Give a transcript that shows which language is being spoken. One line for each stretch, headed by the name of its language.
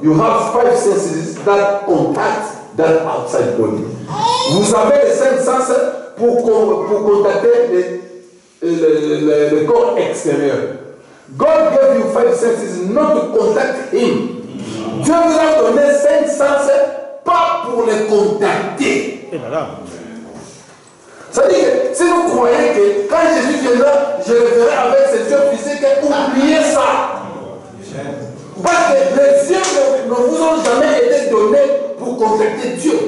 English: You have five senses that contact that outside body.
French: Vous avez les cinq sens pour contacter le corps extérieur.
English: God gave you five senses not to contact him.
French: Dieu vous a donné cinq sens pas pour les contacter. C'est-à-dire que si vous croyez que quand Jésus viendra, je le verrai avec cet yeux physique, oubliez ça. Parce que les yeux ne vous ont jamais été donnés pour contacter Dieu.